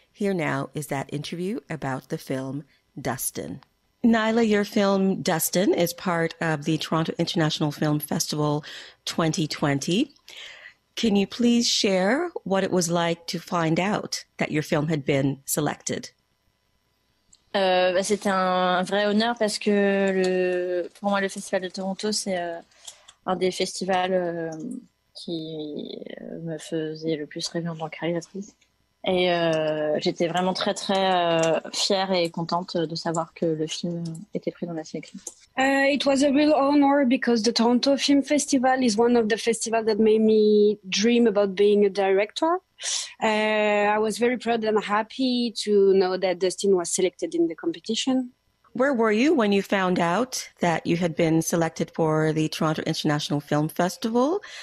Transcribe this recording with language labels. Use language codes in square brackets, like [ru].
[en] Here now is that interview about the film Dustin. Naïla, your film Dustin is part of the Toronto International Film Festival 2020. Can you please share what it was like to find out that your film had been selected? [fr] C'est un vrai honneur parce que pour moi le Festival de Toronto c'est un des festivals qui me faisait le plus rêver en tant que réalisatrice. Et j'étais vraiment très très fière et contente de savoir que le film était pris dans la sélection. [en] It was a real honor because the Toronto Film Festival is one of the festivals that made me dream about being a director. I was very proud and happy to know that Dustin was selected in the competition. Where were you when you found out that you had been selected for the Toronto International Film Festival?